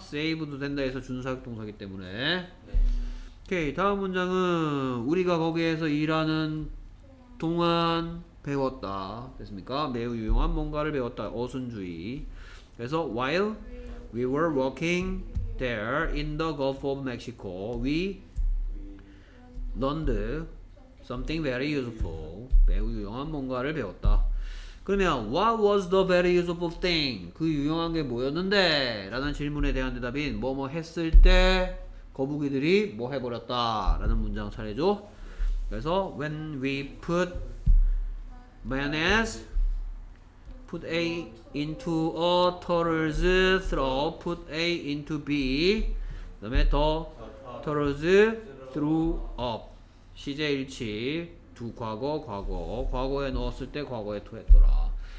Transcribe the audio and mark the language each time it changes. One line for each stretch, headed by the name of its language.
Korean: Save도 된다 해서 준수사격 동사이기 때문에. 오케이, 다음 문장은 우리가 거기에서 일하는 동안 배웠다. 됐습니까? 매우 유용한 뭔가를 배웠다. 어순주의.
English: 그래서 while we were working there in the Gulf of Mexico, we learned something very useful.
Korean: 매우 유용한 뭔가를 배웠다.
English: 그러면 what was the very useful thing?
Korean: 그 유용한 게 뭐였는데? 라는 질문에 대한 대답인 뭐뭐 했을 때 거북이들이 뭐 해버렸다 라는 문장 차례죠.
English: 그래서 when we put mayonnaise put A into a turtle's throat put A into B 그 다음에 the turtle's threw up
Korean: 시제일치 두 과거 과거 과거에 넣었을 때 과거에 토했더라.